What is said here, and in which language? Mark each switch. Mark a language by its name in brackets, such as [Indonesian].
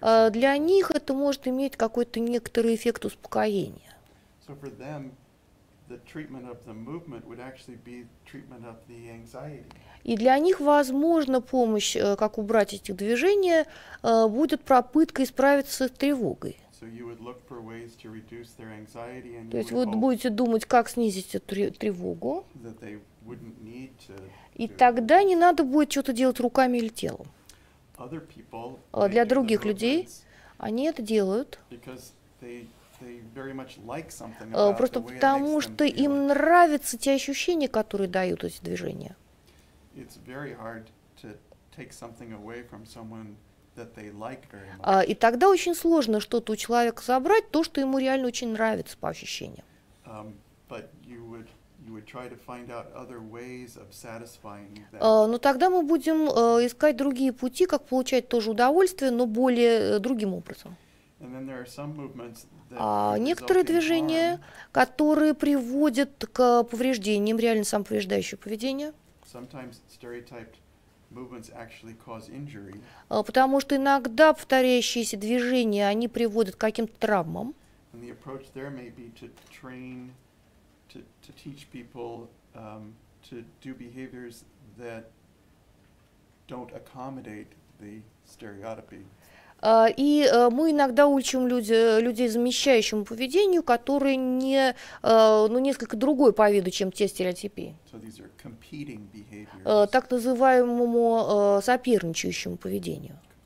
[Russian] Для них это может иметь какой-то некоторый эффект успокоения. [English] So for them, the treatment of the movement would actually be treatment of the anxiety. [Russian] И для них, возможно, помощь, как убрать эти движения, будет попыткой справиться с тревогой. [English] So you would look for ways to reduce their anxiety, and [Russian] то есть вы будете думать, как снизить эту тревогу. [English] That they wouldn't need to. [Russian] И тогда не надо будет что-то делать руками или телом. [English] Other people, [Russian] для других людей они это делают. [English] Because they very much like something about [Russian] просто [English] the way [Russian] потому, что им нравятся те ощущения, которые дают эти движения. [English] It's very hard to take something away from someone that they like very much. [Russian] И тогда очень сложно что-то у человека забрать, то, что ему реально очень нравится по ощущениям. [English] But you would try to find out other ways of satisfying that. [Russian] Но тогда мы будем искать другие пути, как получать тоже удовольствие, но более другим образом. [English] And then there are some movements that [Russian] некоторые движения, которые приводят к повреждениям, реально самоповреждающее поведение. [English] Sometimes stereotyped movements actually cause injury. [Russian] Потому что иногда повторяющиеся движения, они приводят к каким-то травмам. [English] And the approach there may be to train, to teach people to do behaviors that don't accommodate the stereotypy. [Russian] Мы иногда учим людей замещающему поведению, которые не, ну, несколько другой по виду, чем те стереотипы. [English] So [Russian] так называемому соперничающему поведению.